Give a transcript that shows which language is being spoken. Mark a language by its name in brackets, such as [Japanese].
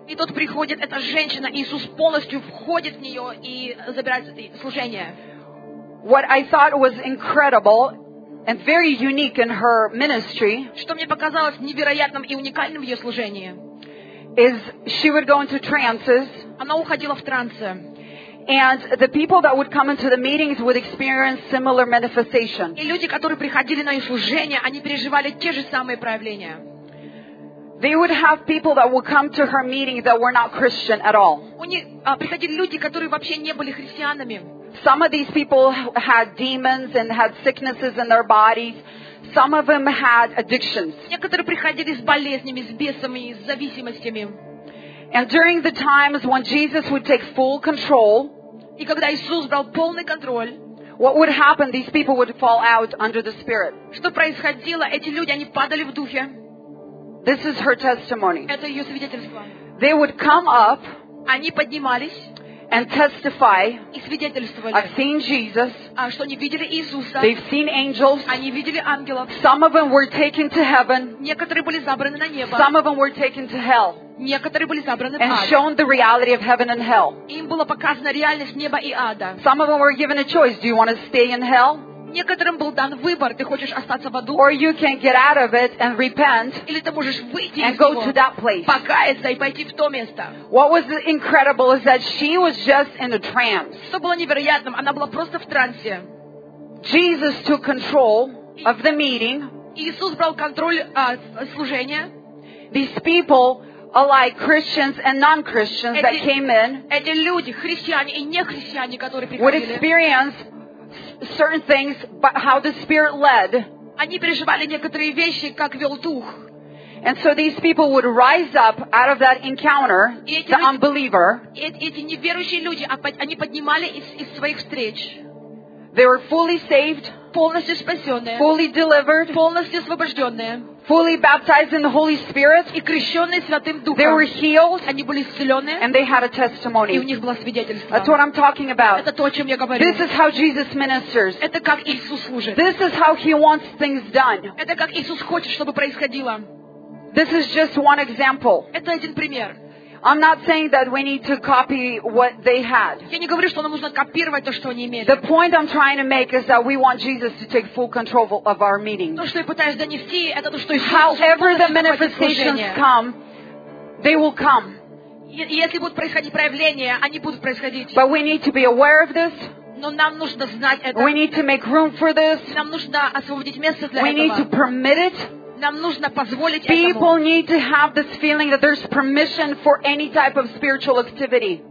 [Russian] И тут приходит эта женщина, Иисус полностью входит в нее и забирает служение. [English] What I thought was incredible and very unique in her ministry, [Russian] что мне показалось невероятным и уникальным в ее служении, [English] is she would go into trances. [Russian] Она уходила в трансы. [English] And the people that would come into the meetings would experience similar manifestation. [Russian] И люди, которые приходили на ее служение, они переживали те же самые проявления. [English] They would have people that would come to her meeting that were not Christian at all. [Russian] У них приходили люди, которые вообще не были христианами. [English] Some of these people had demons and had sicknesses in their bodies. Some of them had addictions. [Russian] Некоторые приходили с болезнями, с бесами, с зависимостями. [English] And during the times when Jesus would take full control, [Russian] и когда Иисус брал полный контроль, [English] what would happen? These people would fall out under the Spirit. [Russian] Что происходило? Эти люди, они падали в духе. [English] This is her testimony. [Russian] Это ее свидетельство. [English] They would come up. [Russian] Они поднимались. [English] And testify. [Russian] И свидетельствовали. [English] I've seen Jesus. [Russian] А что они видели Иисуса? [English] They've seen angels. [Russian] Они видели ангелов. [English] Some of them were taken to heaven. [Russian] Некоторые были забраны на небо. [English] Some of them were taken to hell. [Russian] Некоторые были забраны в ад. [English] And shown the reality of heaven and hell. [Russian] Им была показана реальность неба и ада. [English] Some of them were given a choice. Do you want to stay in hell? [Russian] Некоторым был дан выбор. Ты хочешь остаться в аду? [English] Or you can get out of it and repent. [Russian] Или ты можешь выйти из него. [English] And go to that place. [Russian] Покаяться и пойти в то место. [English] What was incredible is that she was just in a trance. [Russian] Что было невероятным, она была просто в трансе. [English] Jesus took control of the meeting. [Russian] Иисус брал контроль служения. [English] These people, alike Christians and non-Christians that came in, [Russian] эти люди, христиане и нехристиане, которые приходили, [English] would experience certain things, but how the Spirit led. [Russian] Они переживали некоторые вещи, как вел дух. [English] And so these people would rise up out of that encounter, the unbeliever. [Russian] Эти неверующие люди, они поднимали из своих встреч. [English] They were fully saved. [Russian] Полностью спасенные. [English] Fully delivered. [Russian] Полностью освобожденные. [English] Fully baptized in the Holy Spirit. [Russian] И крещенные Святым Духом. [English] They were healed. [Russian] Они были исцелены. [English] And they had a testimony. [Russian] И у них было свидетельство. [English] That's what I'm talking about. [Russian] Это то, о чем я говорю. [English] This is how Jesus ministers. [Russian] Это как Иисус служит. [English] This is how He wants things done. [Russian] Это как Иисус хочет, чтобы происходило. [English] This is just one example. [Russian] Это один пример. [English] I'm not saying that we need to copy what they had. [Russian] Я не говорю, что нам нужно копировать то, что они имели. [English] The point I'm trying to make is that we want Jesus to take full control of our meeting. [Russian] То, что я пытаюсь донести, это то, что Иисус. [English] However the manifestations come, they will come. [Russian] Если будут происходить проявления, они будут происходить. [English] But we need to be aware of this. [Russian] Но нам нужно знать это. [English] We need to make room for this. [Russian] Нам нужно освободить место для этого. [English] We need to permit it. [Russian] Нам нужно позволить этому. [English] People need to have this feeling that there's permission for any type of spiritual activity.